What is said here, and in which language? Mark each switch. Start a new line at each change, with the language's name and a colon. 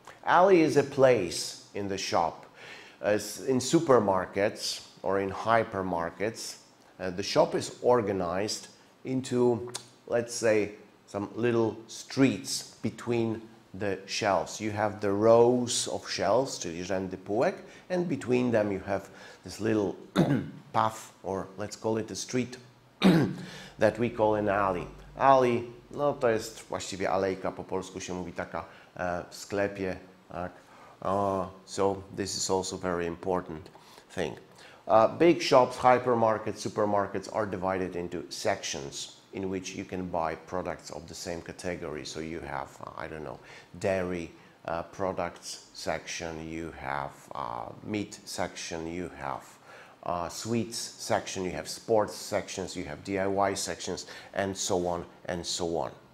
English: Alley is a place in the shop. As in supermarkets or in hypermarkets, the shop is organized into, let's say, some little streets between the shelves. You have the rows of shelves,
Polish: czyli rzędy półek,
English: and between them you have this little path, or let's call it a street, that we call an alley.
Polish: Alley, no to jest właściwie alejka, po polsku się mówi taka w sklepie, tak?
English: So this is also a very important thing. Big shops, hypermarkets, supermarkets are divided into sections in which you can buy products of the same category. So you have, I don't know, dairy products section, you have meat section, you have sweets section, you have sports sections, you have DIY sections, and so on and so on.